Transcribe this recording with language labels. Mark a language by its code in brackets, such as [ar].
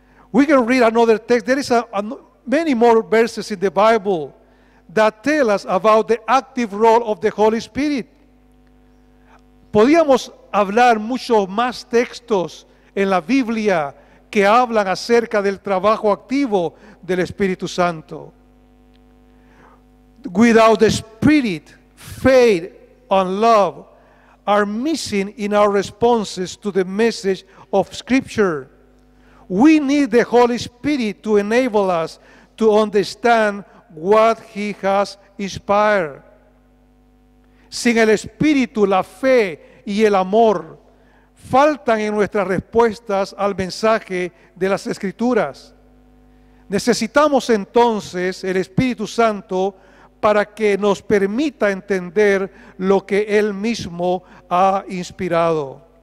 [en] We can read another text. There is many more verses in the Bible that tell us about the active role of the Holy Spirit. [es] Podríamos hablar muchos más textos en la Biblia que hablan acerca del trabajo activo del Espíritu Santo. [en] Without the Spirit, faith and love are missing in our responses to the message of Scripture. We need the Holy Spirit to enable us to understand what He has inspired. [es] Sin el Espíritu, la fe y el amor faltan en nuestras respuestas al mensaje de las Escrituras. Necesitamos entonces el Espíritu Santo para que nos permita entender lo que Él mismo ha inspirado.